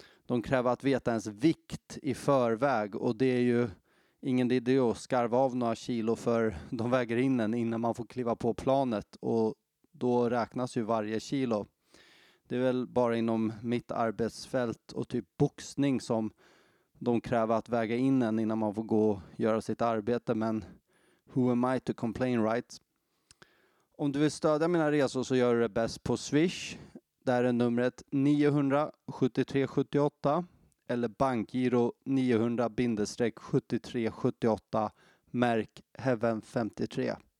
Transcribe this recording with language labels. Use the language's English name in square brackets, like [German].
[Swedish] De kräver att veta ens vikt i förväg och det är ju ingen idé att skarva av några kilo för de väger in en innan man får kliva på planet och då räknas ju varje kilo. Det är väl bara inom mitt arbetsfält och typ boxning som de kräver att väga in en innan man får gå och göra sitt arbete. Men [English] who am I to complain, right? [Swedish] Om du vill stödja mina resor så gör du det bäst på Swish. Där är numret 97378 eller bankgiro 900-7378 märk Heaven 53.